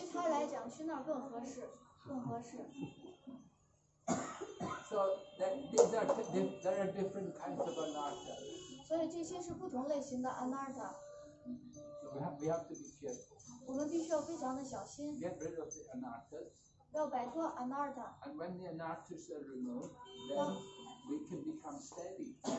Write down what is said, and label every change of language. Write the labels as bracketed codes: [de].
[zh] 来讲，去那儿更合适，更合适。 [en] So that there are different kinds of anartha. [zh] 所以这些是不同类型的 anartha。 [en] We have to be careful. [zh] 我们必须要非常的小心。 [en] Get rid of the anartha. [zh] 要摆脱 anartha. [en] And when the anartha is removed, then we can become steady.